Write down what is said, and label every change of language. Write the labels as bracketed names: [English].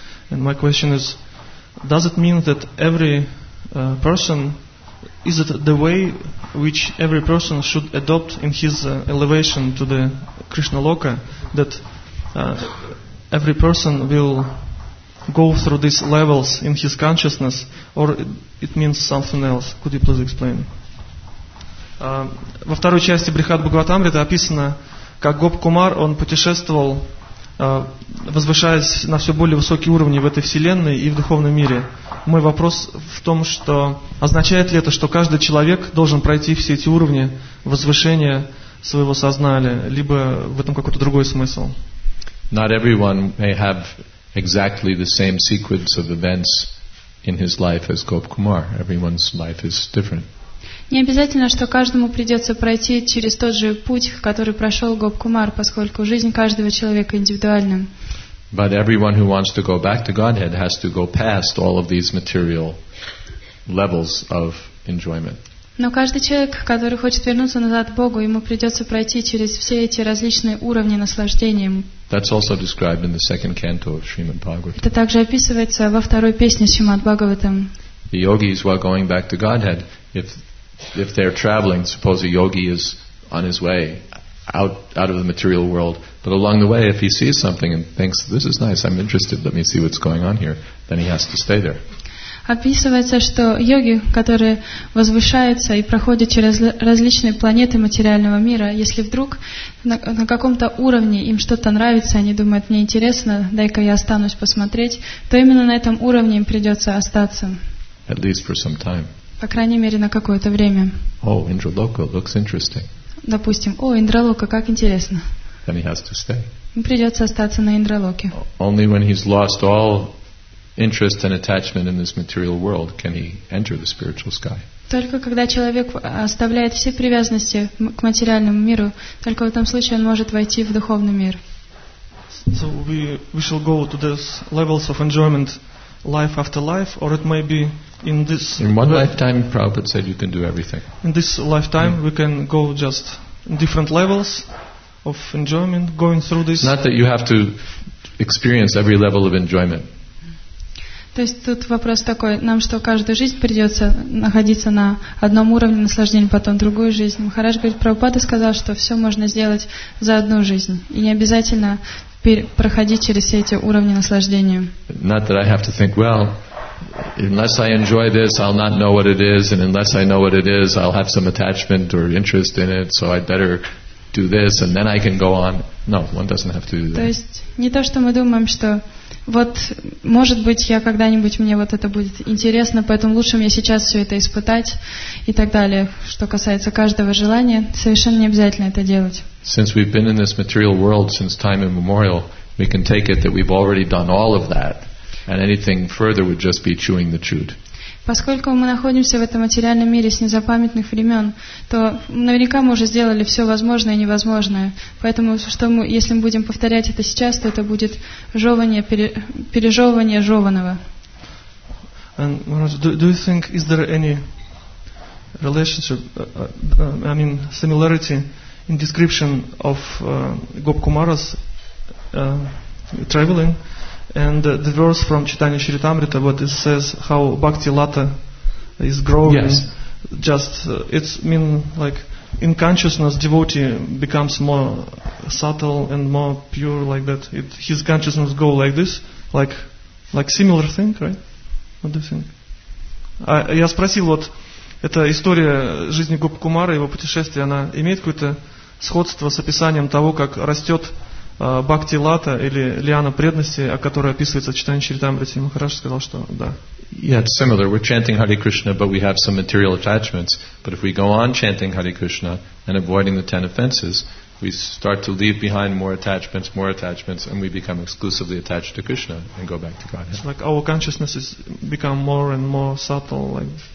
[English] And my question is, does it mean that every person, is it the way which every person should adopt in his elevation to the Krishna Loka, that every person will go through these levels in his consciousness, or it means something else? Could you please explain? [Russian] Во второй части Брихад Бхагаватамрита описано, как Гоп Кумар, он путешествовал, возвышаясь на все более высокие уровни в этой вселенной и в духовном мире. Мой вопрос в том, что означает ли это, что каждый человек должен пройти все эти уровни возвышения своего сознания, либо в этом какой-то другой смысл? [English] Not everyone may have exactly the same sequence of events in his life as Gop Kumar. Everyone's life is different. [Russian] Не обязательно, что каждому придется пройти через тот же путь, который прошел Гоп Кумар, поскольку жизнь каждого человека индивидуальна. [English] But everyone who wants to go back to Godhead has to go past all of these material levels of enjoyment. [Russian] Но каждый человек, который хочет вернуться назад к Богу, ему придется пройти через все эти различные уровни наслаждения. [English] That's also described in the second canto of Srimad Bhagavatam. [Russian] Это также описывается во второй песне Шримад Бхагаватам. [English] The yogis who are going back to Godhead, if they're traveling, suppose a yogi is on his way out of the material world, but along the way, if he sees something and thinks, this is nice, I'm interested, let me see what's going on here, then he has to stay there. [Russian] Описывается, что йоги, которые возвышаются и проходят через различные планеты материального мира, если вдруг на каком-то уровне им что-то нравится, они думают, мне интересно, дай-ка я останусь посмотреть, то именно на этом уровне им придется остаться. [English] At least for some time. [Russian] По крайней мере, на какое-то время. [English] Oh, Indraloka looks interesting. [Russian] Допустим, о, Индралока, как интересно. [English] Then he has to stay. [Russian] Им придется остаться на Индралоке. [English] Only when he's lost all interest and attachment in this material world can he enter the spiritual sky. [Russian] Только когда человек оставляет все привязанности к материальному миру, только в этом случае он может войти в духовный мир. [English] So we shall go to the levels of enjoyment life after life, or it may be in this. In one lifetime, Prabhupada said you can do everything. In this lifetime, we can go just in different levels of enjoyment, going through this. It's not that you have to experience every level of enjoyment. [Russian] То есть тут вопрос такой, нам что, каждую жизнь придется находиться на одном уровне наслаждения, потом другую жизнь? Махарадж говорит, Прабхупада сказал, что все можно сделать за одну жизнь. И не обязательно проходить через все эти уровни наслаждения. [English] Not that I have to think, well, unless I enjoy this, I'll not know what it is, and unless I know what it is, I'll have some attachment or interest in it, so I'd better do this, and then I can go on. No, one doesn't have to do that. [Russian] То есть не то, что мы думаем, что Вот, может быть, я когда-нибудь, мне вот это будет интересно, поэтому лучше мне сейчас все это испытать и так далее. Что касается каждого желания, совершенно не обязательно это делать. [English] Since we've been in this material world since time immemorial, we can take it that we've already done all of that, and anything further would just be chewing the chewed. [Russian] Поскольку мы находимся в этом материальном мире с незапамятных времен, то наверняка мы уже сделали все возможное и невозможное. Поэтому, что мы, если мы будем повторять это сейчас, то это будет жевание, пережевывание жеванного. [English] Do you think, is there any relationship, I mean, similarity in description of Gopkumaras traveling? And the verse from Chaitanya Charitamrita, what it says, how Bhakti Lata is growing. Yes. Just, it's mean like in consciousness, devotee becomes more subtle and more pure like that. It, his consciousness go like this, like similar thing, right? What do you think? [Russian] Я спросил, вот эта история жизни Гопкумара, его путешествие, она имеет какое-то сходство с описанием того, как растет Бхакти Лата или Лиана преданности, о которой описывается в читании Чаритамриты. Махарадж сказал, что да. [English] Yeah, it's similar. We're chanting Hare Krishna, but we have some material attachments. But if we go on chanting Hare Krishna and avoiding the ten offenses, we start to leave behind more attachments, and we become exclusively attached to Krishna and go back to Godhead. Like our consciousness is become more and more subtle, like